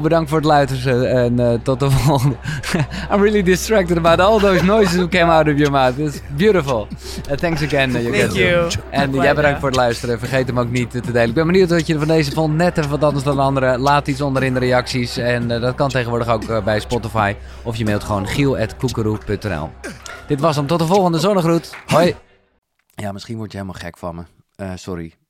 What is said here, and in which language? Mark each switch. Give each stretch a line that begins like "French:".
Dutch: Bedankt voor het luisteren en tot de volgende.
English: I'm really distracted about all those noises that came out of your mouth. It's beautiful. Thanks again. Thank you.
Dutch: En jij bedankt voor het luisteren. Vergeet hem ook niet te delen. Ik ben benieuwd wat je van deze vond. Net even wat anders dan andere. Laat iets onder in de reacties. En dat kan tegenwoordig ook bij Spotify. Of je mailt gewoon giel@koekeroe.nl. Dit was hem. Tot de volgende. Zonnegroet. Hoi. Ja, misschien word je helemaal gek van me. Sorry.